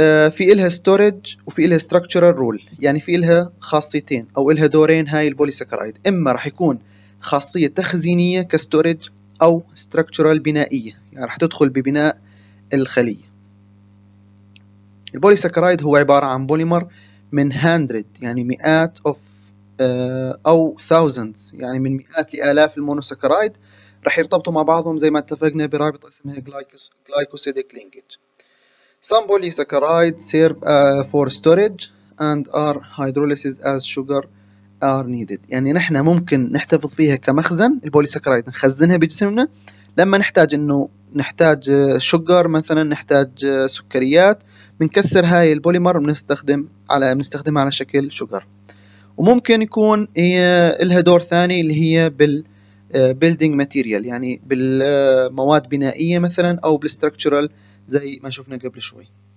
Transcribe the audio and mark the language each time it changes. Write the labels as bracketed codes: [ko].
[ar] في إلها storage وفي إلها structural role، يعني في إلها خاصيتين أو إلها دورين هاي البوليساكرايد، إما راح يكون خاصية تخزينية كستورج أو structural بنائية، يعني راح تدخل ببناء الخلية. البوليساكرايد هو عبارة عن بوليمر من [en] hundred [ar] يعني مئات of أو [en] thousands [ar] يعني من مئات لآلاف المونوساكرايد راح يرتبطوا مع بعضهم زي ما اتفقنا برابط اسمها glycosidic linkage. [en] Some polysaccharides serve for storage and are hydrolyzed as sugar are needed، [ar] يعني نحن ممكن نحتفظ فيها كمخزن البوليسكرايد، نخزنها بجسمنا لما نحتاج، انه نحتاج شوجر مثلا، نحتاج سكريات، بنكسر هاي البوليمر بنستخدمها على شكل شوجر. وممكن يكون هي لها دور ثاني اللي هي بالبيلدينج ماتيريال، يعني بالمواد بنائيه مثلا او بالستركتشرال زي ما شفنا قبل شوي.